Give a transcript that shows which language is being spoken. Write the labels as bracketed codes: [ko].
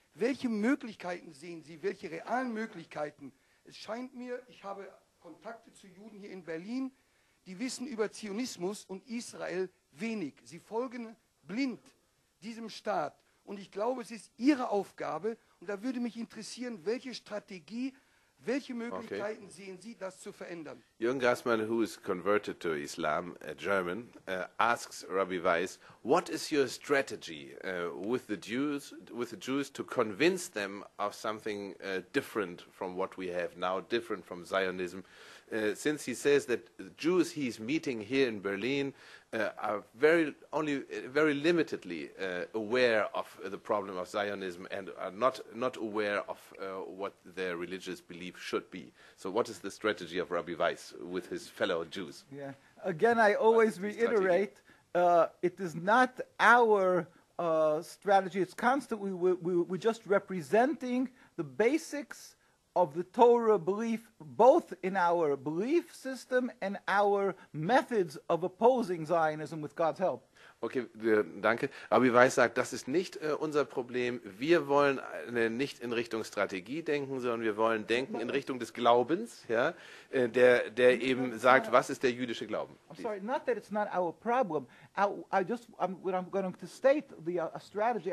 [de] Welche Möglichkeiten sehen Sie, welche realen Möglichkeiten? Es scheint mir, ich habe Kontakte zu Juden hier in Berlin, die wissen über Zionismus und Israel wenig. Sie folgen blind diesem Staat. Und ich glaube, es ist Ihre Aufgabe, und da würde mich interessieren, welche Strategie, welche Möglichkeiten sehen Sie, das zu verändern? [en] Jürgen Grassmann, who is converted to Islam, a German, asks Rabbi Weiss, what is your strategy with the Jews to convince them of something different from what we have now, different from Zionism? Since he says that the Jews he's meeting here in Berlin are only very limitedly aware of the problem of Zionism and are not aware of what their religious belief should be. So what is the strategy of Rabbi Weiss with his fellow Jews? Yeah. Again, I always reiterate, it is not our strategy. It's constantly, we're just representing the basics of the Torah belief, both in our belief system and our methods of opposing Zionism with God's help. [de] Okay, danke. Rabbi Weiss sagt, das ist nicht unser Problem. Wir wollen nicht in Richtung Strategie denken, sondern wir wollen denken in Richtung des Glaubens, ja, der eben sagt, was ist der jüdische Glauben? [en] I'm sorry, not that it's not our problem. I'm going to state the strategy.